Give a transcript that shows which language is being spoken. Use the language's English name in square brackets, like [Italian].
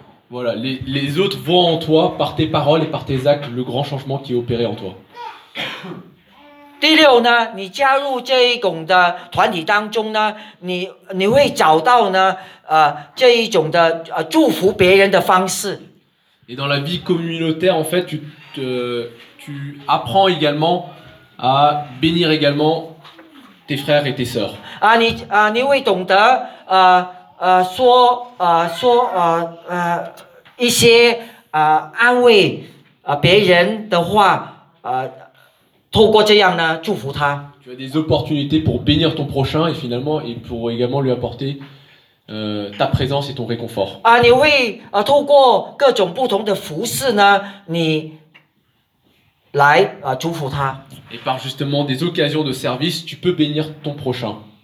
[French] Voilà, les autres voient en toi par tes paroles et par tes actes le grand changement qui est opéré en toi. [Chinese] 第六呢，你加入这一种的团体当中呢，你会找到呢，这一种的祝福别人的方式。 [French] Et dans la vie communautaire, en fait, tu apprends également à bénir également tes frères et tes sœurs. [Chinese] 啊，你会懂得说一些安慰别人的话。透过这样呢，祝福他。 [French] Tu as des opportunités pour bénir ton prochain et finalement et pour également lui apporter ta présence et ton réconfort. [Chinese] 啊，你会透过各种不同的服事呢，你来祝福他。 [French] Et par justement des occasions de service, tu peux bénir ton prochain.